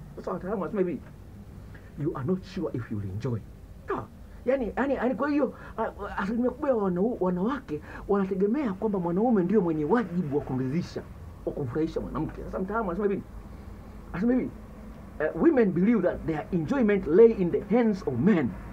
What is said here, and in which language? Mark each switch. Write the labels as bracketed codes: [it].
[sw] Sasa wataalamu wanasema hivi, [en] you are not sure if you will enjoy. [sw] Yani kwa hiyo asilimia kubwa ya wanawake wanategemea kwamba mwanaume ndio mwenye wajibu wa kumridhisha au kumfurahisha mwanamke. Sasa mtaalamu anasema hivi. Anasema hivi, [en] women believe that their enjoyment lay in the hands of men.